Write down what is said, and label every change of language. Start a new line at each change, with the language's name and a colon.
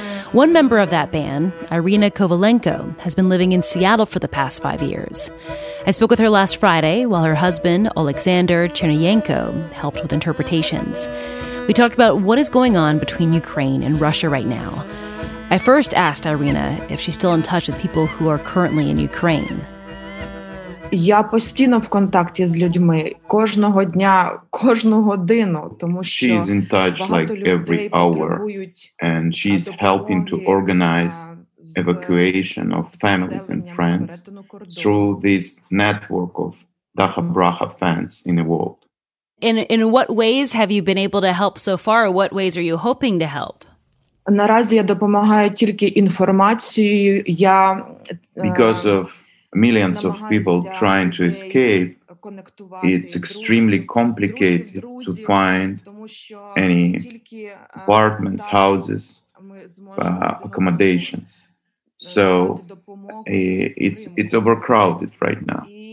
English: One member of that band, Irina Kovalenko, has been living in Seattle for the past 5 years. I spoke with her last Friday while her husband, Oleksandr Chernyenko, helped with interpretations. We talked about what is going on between Ukraine and Russia right now. I first asked Irina if she's still in touch with people who are currently in Ukraine.
Ukrainian: Я постійно в контакті з людьми кожного дня, кожну годину, тому що
English: she is in touch like every hour, and she's helping to organize evacuation of families and friends through this network of Daka Braka fans in the world. In what ways have you been able to help so far? Or what ways are you hoping to help?
Ukrainian: Наразі я допомагаю тільки інформацією. Я
English: because of millions of people trying to escape, it's extremely complicated to find any apartments, houses, accommodations. So it's overcrowded right now.